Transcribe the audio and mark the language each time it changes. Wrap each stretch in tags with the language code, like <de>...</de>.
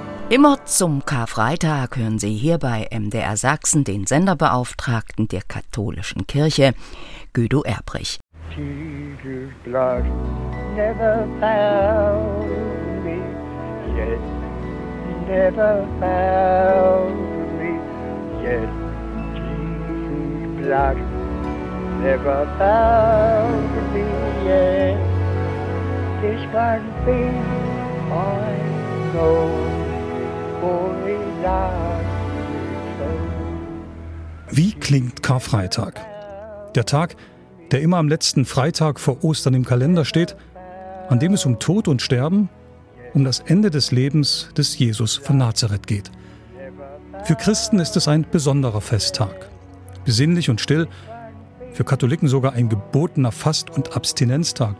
<de>Immer zum Karfreitag hören Sie hier bei MDR Sachsen den Senderbeauftragten der katholischen Kirche, Guido Erbrich.</de> <en>Jesus' blood never found me, yes, never found me, yes, Jesus' blood never found me, yes, this one thing I know, holy love.</en> <de>Wie klingt Karfreitag? Der Tag, der immer am letzten Freitag vor Ostern im Kalender steht, an dem es um Tod und Sterben, um das Ende des Lebens des Jesus von Nazareth geht. Für Christen ist es ein besonderer Festtag. Besinnlich und still, für Katholiken sogar ein gebotener Fast- und Abstinenztag.</de>